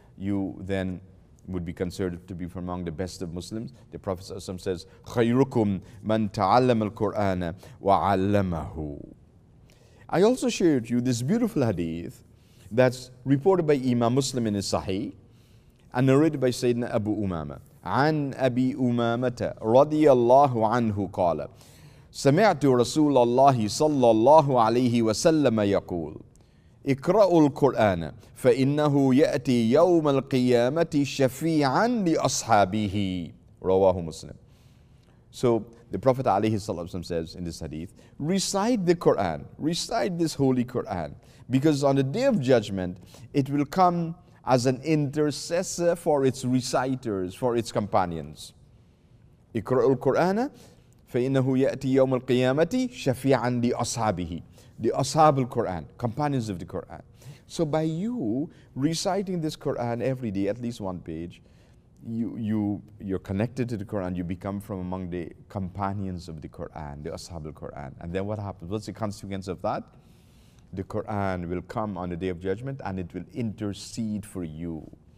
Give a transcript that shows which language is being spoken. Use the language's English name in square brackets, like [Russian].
[English] You then would be considered to be from among the best of Muslims. The Prophet ﷺ says, [Arabic] خَيْرُكُمْ مَنْ تَعَلَّمَ الْقُرْآنَ وَعَلَّمَهُ. [English] I also shared you this beautiful hadith that's reported by Imam Muslim in his Sahih and narrated by Sayyidina Abu Umama. [Arabic] عَنْ أَبِي أُمَامَةَ رَضِيَ اللَّهُ عَنْهُ قَالَ سَمِعْتُ رَسُولَ اللَّهِ صَلَّى اللَّهُ عَلَيْهِ وَسَلَّمَ يَقُولُ اقرأوا القرآن فإنه يأتي يوم القيامة شفيعا لأصحابه رواه مسلم. [English] So the Prophet ﷺ says in this hadith, recite the Quran, recite this holy Quran, because on the day of judgment, it will come as an intercessor for its reciters, for its companions. [Arabic] اقرأوا القرآن فإنه يأتي يوم القيامة شفيعا لأصحابه. [English] The Ashab al-Quran, companions of the Quran. So by you reciting this Quran every day, at least one page, you're connected to the Quran, you become from among the companions of the Quran, the Ashab al-Quran. And then what happens? What's the consequence of that? The Quran will come on the Day of Judgment and it will intercede for you.